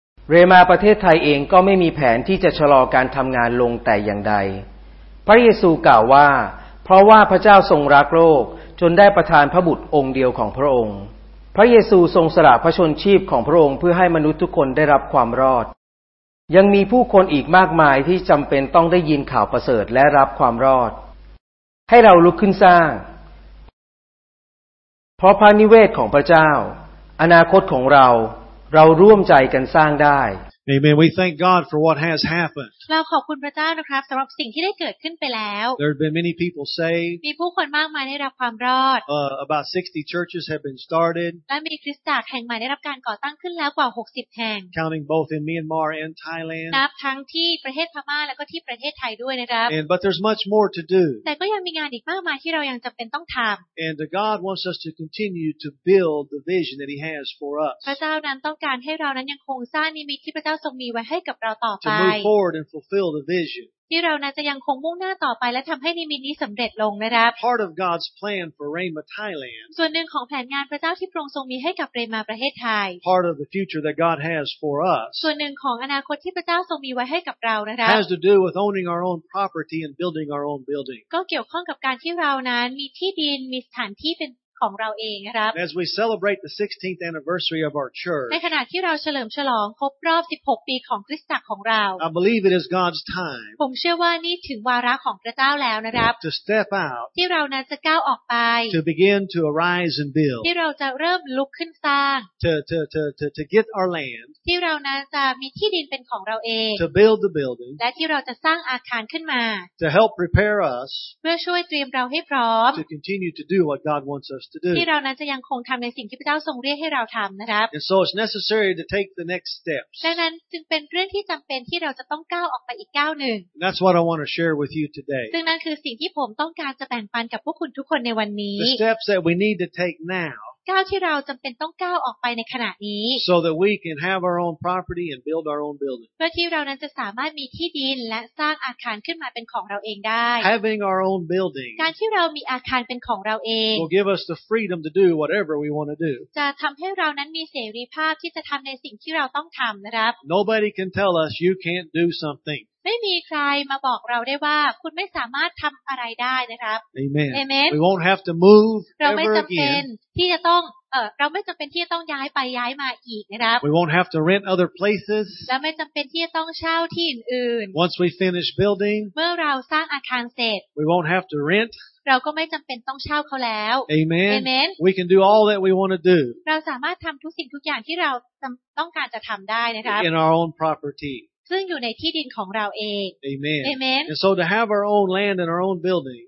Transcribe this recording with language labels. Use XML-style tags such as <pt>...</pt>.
<th>เรมาประเทศไทยเองก็ไม่มีแผนที่จะชะลอการทำงานลงแต่อย่างใดพระเยซูกล่าวว่าเพราะว่าพระเจ้าทรงรักโลกจนได้ประทานพระบุตรองค์เดียวของพระองค์พระเยซูทรงสละพระชนชีพของพระองค์เพื่อให้มนุษย์ทุกคนได้รับความรอด ยังมีผู้คนอีกมากมายที่จำเป็นต้องได้ยินข่าวประเสริฐและรับความรอดให้เราลุกขึ้นสร้างเพราะพระนิเวศของพระเจ้าอนาคตของเราร่วมใจกันสร้างได้</th> <en>Amen. We thank God for what has happened.</en> <th>เราขอบคุณพระเจ้านะครับสำหรับสิ่งที่ได้เกิดขึ้นไปแล้ว</th> <en>There have been many people saved.</en> <th>มีผู้คนมากมายได้รับความรอด</th> <en>About 60 churches have been started.</en> <th>และมีคริสตจักรแห่งใหม่ได้รับการก่อตั้งขึ้นแล้วกว่า60แห่ง</th> <en>Counting both in Myanmar and Thailand.</en> <th>นับทั้งที่ประเทศพม่าแล้วก็ที่ประเทศไทยด้วยนะครับ</th> <en>And but there's much more to do.</en> <th>แต่ก็ยังมีงานอีกมากมายที่เรายังจำเป็นต้องทำ</th> <en>And God wants us to continue to build the vision that He has for us.</en> <th>พระเจ้านั้นต้องการให้เรานั้นยังคงสร้างนิมิตที่พระเจ้าทรงมีไว้ให้กับเราต่อไป</th> <en>To move forward and fulfill the vision.</en> <th>ที่เรานั้นจะยังคงมุ่งหน้าต่อไปและทำให้นิมิตนี้สำเร็จลงนะครับ</th> <en>Part of God's plan for Rema Thailand.</en> <th>ส่วนหนึ่งของแผนงานพระเจ้าที่พระองค์ทรงมีให้กับเรมาประเทศไทย</th> <en>Part of the future that God has for us.</en> <th>ส่วนหนึ่งของอนาคตที่พระเจ้าทรงมีไว้ให้กับเรานะครับ</th> <en>Has to do with owning our own property and building our own building.</en> <th>ก็เกี่ยวข้องกับการที่เรานั้นมีที่ดินมีสถานที่เป็นของเราเองนะครับ</th> <en>As we celebrate the 16th anniversary of our church</en> <th>ในขณะที่เราเฉลิมฉลองครบรอบ16ปีของคริสตจักรของเรา</th> <en>I believe it is God's time</en> <th>ผมเชื่อว่านี่ถึงวาระของพระเจ้าแล้วนะครับ</th> <en>To step out</en> <th>ที่เรานั้นจะก้าวออกไป</th> <en>To begin to arise and build</en> <th>ที่เราจะเริ่มลุกขึ้นสร้าง</th> <en>To get our land</en> <th>ที่เรานั้นจะมีที่ดินเป็นของเราเอง</th> <en>To build the building</en> <th>และที่เราจะสร้างอาคารขึ้นมา</th> <en>To help prepare us</en> <th>เพื่อช่วยเตรียมเราให้พร้อม</th> <en>To continue to do what God wants us</en> <th>ที่เรานั้นจะยังคงทำในสิ่งที่พระเจ้าทรงเรียกให้เราทำนะครับ</th> <en>And so it's necessary to take the next steps.</en> <th>ดังนั้นจึงเป็นเรื่องที่จำเป็นที่เราจะต้องก้าวออกไปอีกก้าวหนึ่ง</th> <en>That's what I want to share with you today.</en> <th>ซึ่งนั่นคือสิ่งที่ผมต้องการจะแบ่งปันกับพวกคุณทุกคนในวันนี้</th> <en>The steps that we need to take now.</en> <th>ก้าวที่เราจำเป็นต้องก้าวออกไปในขณะนี้</th> <en>so that we can have our own property and build our own building</en> <th>เพื่อที่เรานั้นจะสามารถมีที่ดินและสร้างอาคารขึ้นมาเป็นของเราเองได้</th> <en>having our own building</en> <th>การที่เรามีอาคารเป็นของเราเอง</th> <en>will give us the freedom to do whatever we want to do</en> <th>จะทำให้เรานั้นมีเสรีภาพที่จะทำในสิ่งที่เราต้องทำนะครับ</th> <en>nobody can tell us you can't do something</en> <th>ไม่มีใครมาบอกเราได้ว่าคุณไม่สามารถทำอะไรได้นะครับ</th> <en>Amen. Amen. We won't have to move</en> <th>เราไม่จำเป็นที่จะต้องเราไม่จำเป็นที่จะต้องย้ายไปย้ายมาอีกนะครับ</th> <en>We won't have to rent other places</en> <th>เราไม่จำเป็นที่จะต้องเช่าที่อื่น</th> <en>Once we finish building</en> <th>เมื่อเราสร้างอาคารเสร็จ</th> <en>We won't have to rent</en> <th>เราก็ไม่จำเป็นต้องเช่าเขาแล้ว</th> <en>Amen. Amen. We can do all that we want to do.</en> <th>เราสามารถทำทุกสิ่งทุกอย่างที่เราต้องการจะทำได้นะครับ</th> <en>In our own property</en> <th>ซึ่งอยู่ในที่ดินของเราเอง</th> <en>Amen. Amen. And so to have our own land and our own building.</en>